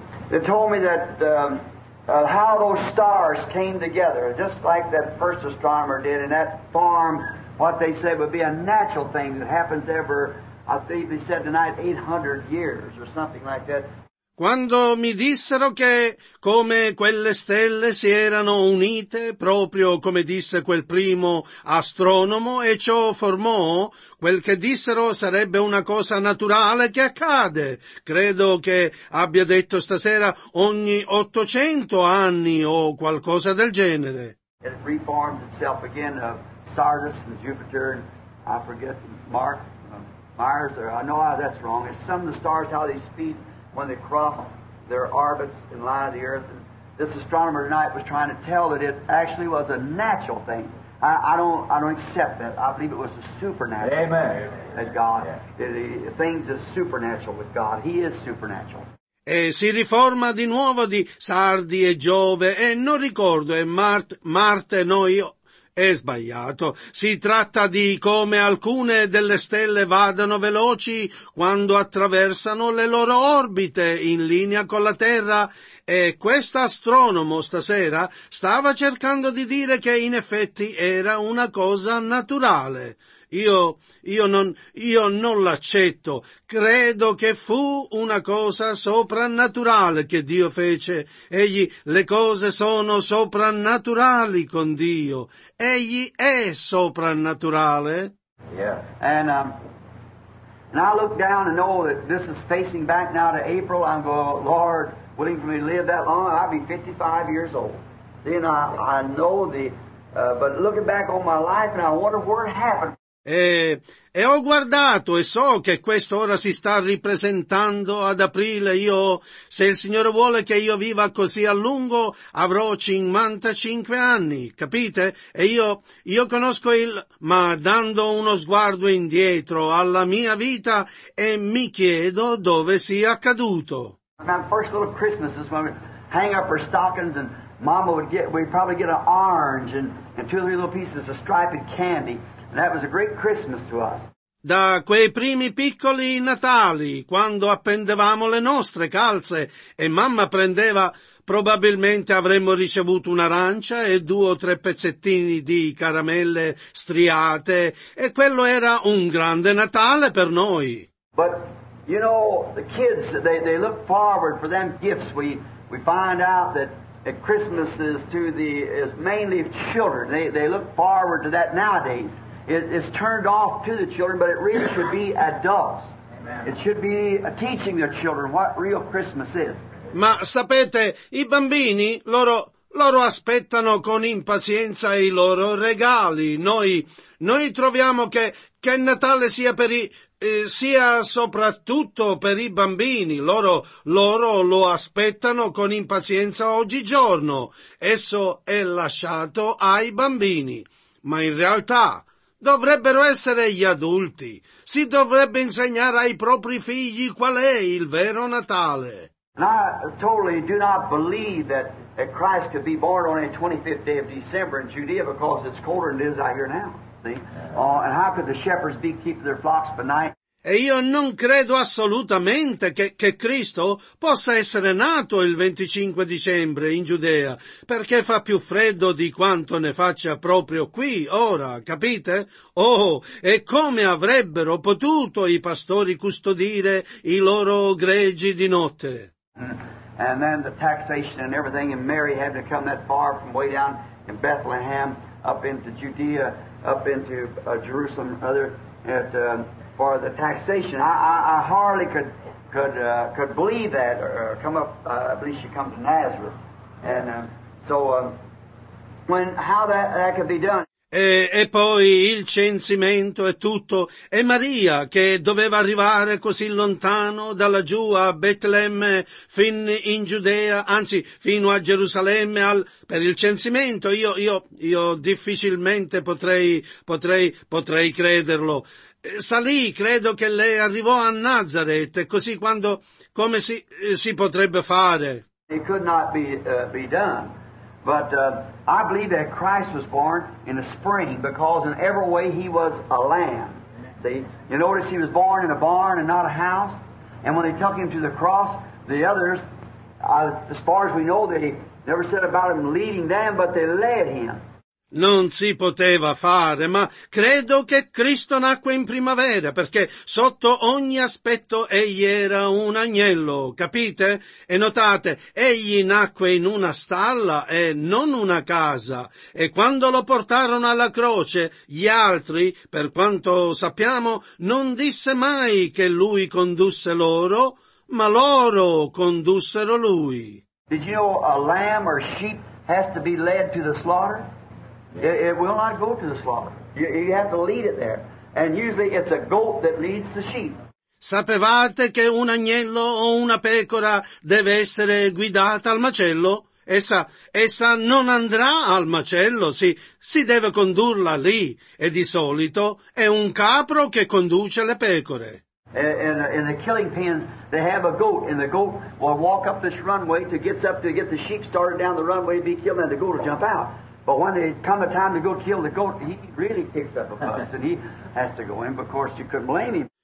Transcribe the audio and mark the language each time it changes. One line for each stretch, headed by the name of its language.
English: They told me that how those stars came together, just like that first astronomer did, and that formed what they said would be a natural thing that happens every, I think they said tonight, 800 years or something like that.
Italian: Quando mi dissero che come quelle stelle si erano unite, proprio come disse quel primo astronomo, e ciò formò, quel che dissero sarebbe una cosa naturale che accade. Credo che abbia detto stasera ogni 800 anni o qualcosa del genere.
English: It reforms itself again of Sardis and Jupiter, and I forget Mark, Myers, or I know how that's wrong. It's some of the stars, how they speed when they cross their orbits in line of the earth. And this astronomer tonight was trying to tell that it actually was a natural thing. I don't accept that. I believe it was a supernatural. Amen. That God, yeah. The things is supernatural with God. He is supernatural.
Italian: E si riforma di nuovo di Sardi e Giove e non ricordo e Marte no io. È sbagliato. Si tratta di come alcune delle stelle vadano veloci quando attraversano le loro orbite in linea con la Terra. E questo astronomo stasera stava cercando di dire che in effetti era una cosa naturale. Io non l'accetto. Credo che fu una cosa soprannaturale che Dio fece. Egli, le cose sono soprannaturali con Dio. Egli è soprannaturale.
English: Yeah. And I look down and know that this is facing back now to April. I'm going, Lord, willing for me to live that long? I'll be 55 years old. See, and I know the, but looking back on my life and I wonder where it happened.
Italian: E ho guardato e so che quest'ora si sta ripresentando ad aprile. Io, se il Signore vuole che io viva così a lungo, avrò 55 anni, capite? E io conosco il, ma dando uno sguardo indietro alla mia vita e mi chiedo dove sia accaduto.
English: My first little Christmas is when we hang up our stockings and mama would get, we'd probably get an orange and two or three little pieces of striped candy. That was a great Christmas to us.
Italian: Da quei primi piccoli Natali, quando appendevamo le nostre calze e mamma prendeva, probabilmente avremmo ricevuto un'arancia e due o tre pezzettini di caramelle striate, e quello era un grande Natale per noi.
English: But you know, the kids, they look forward for them gifts. We find out that at Christmas is mainly children. They look forward to that nowadays. It's turned off to the children, but it really should be adults. Amen. It should be teaching their children what real Christmas is.
Italian: Ma sapete, i bambini, loro aspettano con impazienza i loro regali. Noi troviamo che Natale sia per sia soprattutto per i bambini. Loro lo aspettano con impazienza oggigiorno. Esso è lasciato ai bambini. Ma in realtà dovrebbero essere gli adulti. Si dovrebbe insegnare ai propri figli qual è il vero Natale.
English: I totally do not believe that Christ could be born on a 25th day of December in Judea because it's colder than it is out here now. See? And how could the shepherds be keeping their flocks by night?
Italian: E io non credo assolutamente che Cristo possa essere nato il 25 dicembre in Giudea, perché fa più freddo di quanto ne faccia proprio qui, ora, capite? Oh, e come avrebbero potuto i pastori custodire i loro gregi di notte?
English: And then the taxation and everything, and Mary had to come that far from way down in Bethlehem, up into Judea, up into Jerusalem, other at for the taxation, I hardly could believe that or come up. I believe she come to Nazareth, and when how that could be done.
Italian: E poi il censimento e tutto, e Maria che doveva arrivare così lontano da laggiù a Betlemme fin in Giudea, anzi fino a Gerusalemme per il censimento, io difficilmente potrei crederlo. Salì, credo che lei arrivò a Nazareth, così quando, come si potrebbe fare?
English: It could not be done. But I believe that Christ was born in the spring because in every way he was a lamb. See, you notice he was born in a barn and not a house. And when they took him to the cross, the others, as far as we know, they never said about him leading them, but they led him.
Italian: Non si poteva fare, ma credo che Cristo nacque in primavera, perché sotto ogni aspetto egli era un agnello, capite? E notate, egli nacque in una stalla e non una casa, e quando lo portarono alla croce, gli altri, per quanto sappiamo, non disse mai che lui condusse loro, ma loro condussero lui.
English: Did you know a lamb or sheep has to be led to the slaughter? It will not go to the slaughter. You have to lead it there. And usually it's a goat that leads the sheep.
Italian: Sapevate che un agnello o una pecora deve essere guidata al macello? Essa non andrà al macello, si deve condurla lì. E di solito è un capro che conduce le pecore.
English: In the killing pens, they have a goat, and the goat will walk up this runway to get up to get the sheep started down the runway to be killed, and the goat will jump out. But when it come a time to go kill the goat, he really kicks up a fuss, and he has to go in. But of course, you couldn't blame him.